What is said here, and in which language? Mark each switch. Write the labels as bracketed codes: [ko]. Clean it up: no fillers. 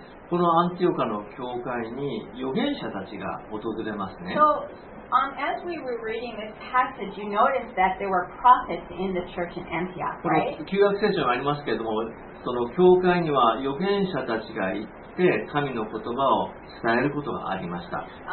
[ja] このアンティオカの教会に預言者たちが訪れますね。 [en] So, as we were reading this passage, you noticed that there were prophets in the church in Antioch, right? [ja] この旧約聖書がありますけれども、その教会には預言者たちがいて、で神の言葉を伝えることがありました。